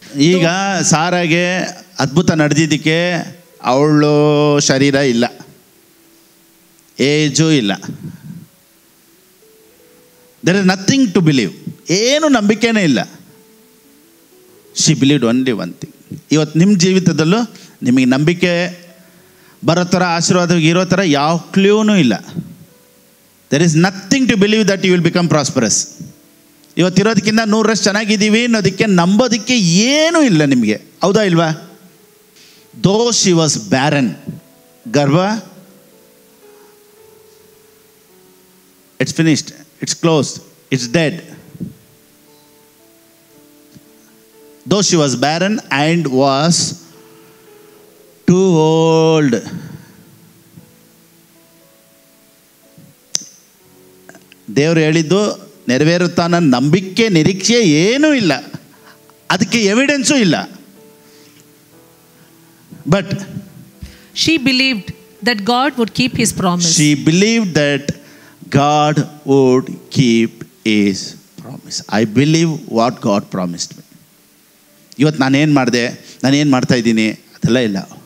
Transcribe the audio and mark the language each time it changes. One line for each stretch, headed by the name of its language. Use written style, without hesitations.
Kannada: ಈಗ ಸಾರಾಗೆ ಅದ್ಭುತ ನಡೆದಿದ್ದಕ್ಕೆ ಅವಳು ಶರೀರ ಇಲ್ಲ, ಏಜೂ ಇಲ್ಲ,
English: there is nothing to believe,
Kannada: ಏನು ನಂಬಿಕೆನೇ ಇಲ್ಲ.
English: She believed only one thing.
Kannada: ಇವತ್ತು ನಿಮ್ಮ ಜೀವಿತದಲ್ಲೂ ನಿಮಗೆ ನಂಬಿಕೆ ಬರೋ ಥರ ಆಶೀರ್ವಾದವಾಗಿರೋ ಥರ ಯಾವ ಕ್ಲೂನೂ ಇಲ್ಲ.
English: There is nothing to believe that you will become prosperous.
Kannada: ಇವತ್ತು ಇರೋದಕ್ಕಿಂತ 100 ರಷ್ಟು ಚೆನ್ನಾಗಿದ್ದೀವಿ ಅನ್ನೋದಕ್ಕೆ ನಂಬೋದಕ್ಕೆ ಏನೂ ಇಲ್ಲ ನಿಮಗೆ, ಹೌದಾ ಇಲ್ವಾ?
English: Though she was barren, ಗರ್ಭ, it's finished, it's closed, it's dead. Though she was barren and was too old,
Kannada: ದೇವರು ಹೇಳಿದ್ದು ನೆರವೇರುತ್ತಾನ ನಂಬಿಕೆ ನಿರೀಕ್ಷೆ ಏನೂ ಇಲ್ಲ, ಅದಕ್ಕೆ ಎವಿಡೆನ್ಸೂ ಇಲ್ಲ.
English: But she believed that God would keep his promise. She believed that God would keep his promise. I believe what God promised me.
Kannada: ಇವತ್ತು ನಾನೇನ್ ಮಾಡಿದೆ, ನಾನೇನ್ ಮಾಡ್ತಾ ಇದ್ದೀನಿ ಅದೆಲ್ಲ ಇಲ್ಲ.